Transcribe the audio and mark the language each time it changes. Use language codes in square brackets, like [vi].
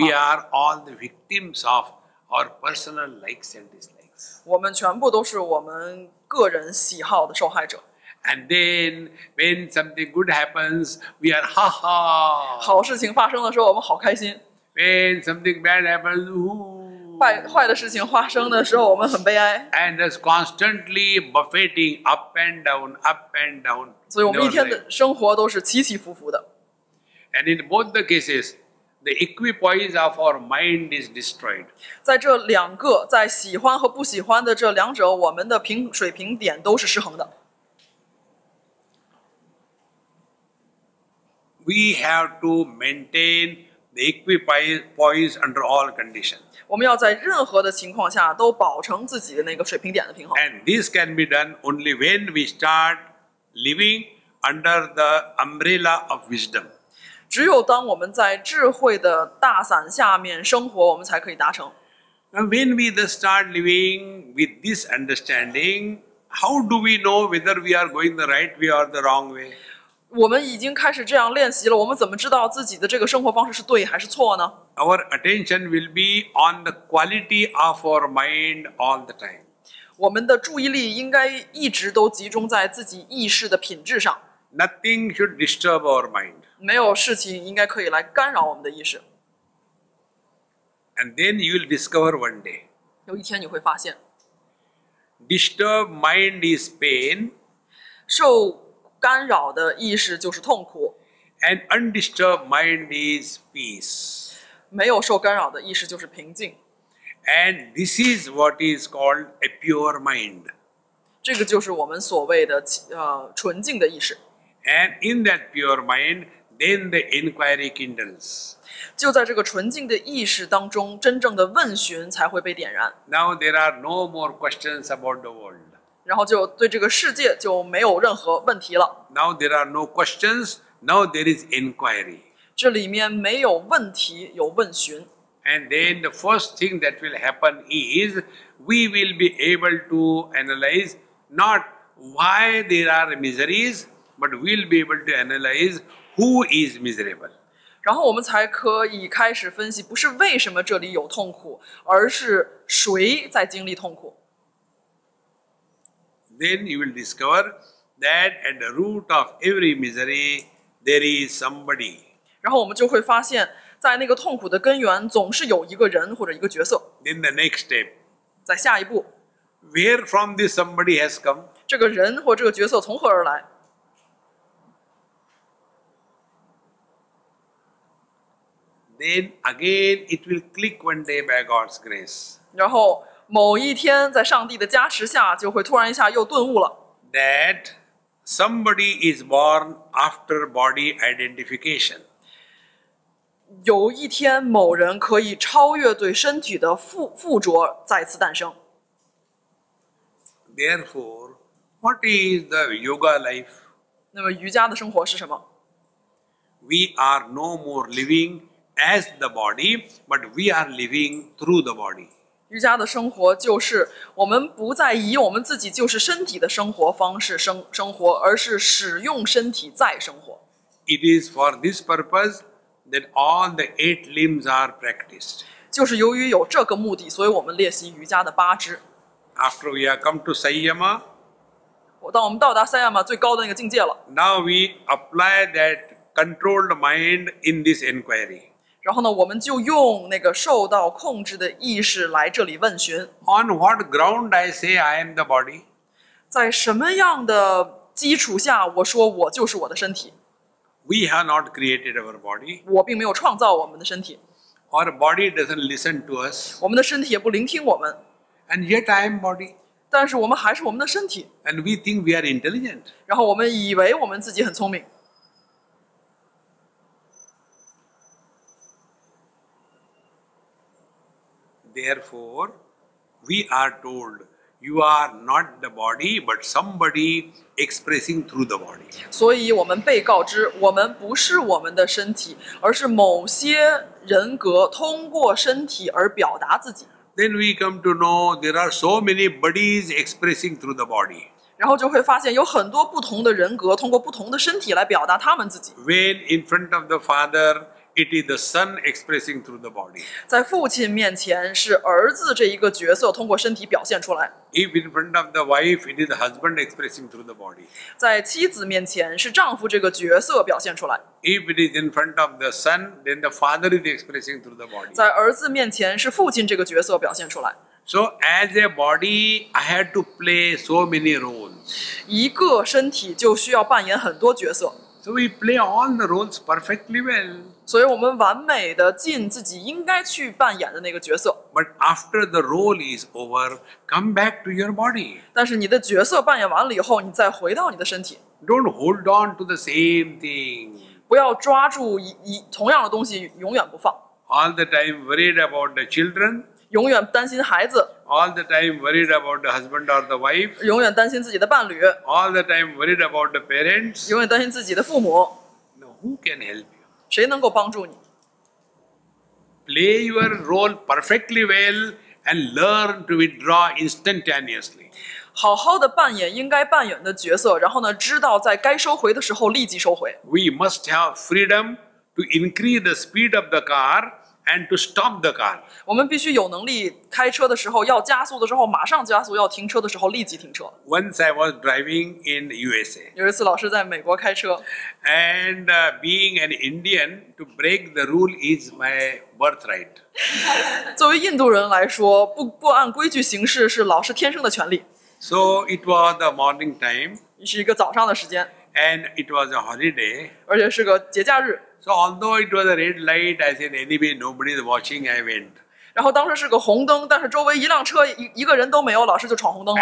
[en] ，We are all the victims of our personal likes and dislikes. [zh] 我们全部都是我们个人喜好的受害者。 [en] And then when something good happens, we are ha ha. [zh] 好事情发生的时候，我们好开心。 [en] When something bad happens, ooh. [zh] 坏的事情发生的时候，我们很悲哀。 [en] And is constantly buffeting up and down, up and down. [zh] 所以我们一天的生活都是起起伏伏的。 [en] And in both the cases, the equipoise of our mind is destroyed. [zh] 在这两个，在喜欢和不喜欢的这两者，我们的水平点都是失衡的。 [en] We have to maintain the equipoise under all conditions. [zh] 我们要在任何的情况下都保持自己的那个水平点的平衡。 [en] And this can be done only when we start living under the umbrella of wisdom. [zh] 只有当我们在智慧的大伞下面生活，我们才可以达成。 [en] And when we start living with this understanding, how do we know whether we are going the right way or the wrong way? [zh] 我们已经开始这样练习了，我们怎么知道自己的这个生活方式是对还是错呢？ [en] Our attention will be on the quality of our mind all the time. [zh] 我们的注意力应该一直都集中在自己意识的品质上。 [en] Nothing should disturb our mind. [zh] 没有事情应该可以来干扰我们的意识。 [en] And then you will discover one day. [zh] 有一天你会发现。 [en] Disturbed mind is pain. [zh] 受干扰的意识就是痛苦。 [en] An undisturbed mind is peace. [zh] 没有受干扰的意识就是平静。 [en] And this is what is called a pure mind. [zh] 这个就是我们所谓的纯净的意识。 [en] And in that pure mind, then the inquiry kindles. [zh] 就在这个纯净的意识当中，真正的问询才会被点燃。 [en] Now there are no more questions about the world. [zh] 然后就对这个世界就没有任何问题了。 [en] Now there are no questions. Now there is inquiry. [zh] 这里面没有问题，有问询。 [en] And then the first thing that will happen is we will be able to analyze not why there are miseries, but we'll be able to analyze who is miserable. [zh] 然后我们才可以开始分析，不是为什么这里有痛苦，而是谁在经历痛苦。 [en] Then you will discover that at the root of every misery, there is somebody. [zh] 然后我们就会发现，在那个痛苦的根源，总是有一个人或者一个角色。 [en] Then the next step. [zh] 在下一步。 [en] Where from this somebody has come? [zh] 这个人或这个角色从何而来？ [en] Then again, it will click one day by God's grace. [zh] 然后某一天在上帝的加持下就会突然一下又顿悟了。 [en] That somebody is born after body identification. [zh] 有一天某人可以超越对身体的附着再次诞生。 [en] Therefore, what is the yoga life? [zh] 那么瑜伽的生活是什么？ [en] We are no more living as the body, but we are living through the body. [zh] 瑜伽的生活就是我们不再以我们自己就是身体的生活方式生活，而是使用身体再生活。 [en] It is for this purpose that all the eight limbs are practiced. [zh] 就是由于有这个目的，所以我们练习瑜伽的八支。 [en] After we have come to Samyama, [zh] 当我们到达 Samyama 最高的那个境界了。 [en] Now we apply that controlled mind in this inquiry. [zh] 然后呢，我们就用那个受到控制的意识来这里问询。 [en] On what ground I say I am the body? [zh] 在什么样的基础下我说我就是我的身体？ [en] We have not created our body. [zh] 我并没有创造我们的身体。 [en] Our body doesn't listen to us. [zh] 我们的身体也不聆听我们。 [en] And yet I am body. [zh] 但是我们还是我们的身体。 [en] And we think we are intelligent. [zh] 然后我们以为我们自己很聪明。 [en] Therefore, we are told you are not the body, but somebody expressing through the body. [zh] 所以我们被告知，我们不是我们的身体，而是某些人格通过身体而表达自己。 [en] Then we come to know there are so many bodies expressing through the body. [zh] 然后就会发现有很多不同的人格通过不同的身体来表达他们自己。 [en] When in front of the Father, It is the son expressing through the body. [zh] 在父亲面前是儿子这一个角色通过身体表现出来。 [en] Even in front of the wife, it is the husband expressing through the body. [zh] 在妻子面前是丈夫这个角色表现出来。 [en] If it is in front of the son, then the father is expressing through the body. [zh] 在儿子面前是父亲这个角色表现出来。 [en] So as a body, I had to play so many roles. [zh] 一个身体就需要扮演很多角色。 [en] So we play all the roles perfectly well. [zh] 所以我们完美的尽自己应该去扮演的那个角色。 [en] But after the role is over, come back to your body. [zh] 但是你的角色扮演完了以后，你再回到你的身体。 [en] Don't hold on to the same thing. [zh] 不要抓住同样的东西永远不放。 [en] All the time worried about the children. [zh] 永远担心孩子 [en] All the time worried about the husband or the wife [zh] 永远担心自己的伴侣 [en] All the time worried about the parents [zh] 永远担心自己的父母 [en] Now who can help you? [zh] 谁能够帮助你 [en] Play your role perfectly well and learn to withdraw instantaneously [zh] 好好的扮演应该扮演的角色然后呢知道在该收回的时候立即收回 [en] We must have freedom to increase the speed of the carAnd to stop the car. [zh] 我们必须有能力开车的时候要加速的时候马上加速要停车的时候立即停车。 [en] Once I was driving in USA. [zh] 有一次老师在美国开车。 [en] And being an Indian, to break the rule is my birthright. [zh] 作为印度人来说 不按规矩行事是老师天生的权利。 [en] So it was the morning time. [zh] 是一个早上的时间。 [en] And it was a holiday. [zh] 而且是个节假日。 [en] So although it was a red light, I said anyway, nobody is watching, I went. [zh] 然后当时是个红灯，但是周围一辆车一个人都没有，老师就闯红灯了。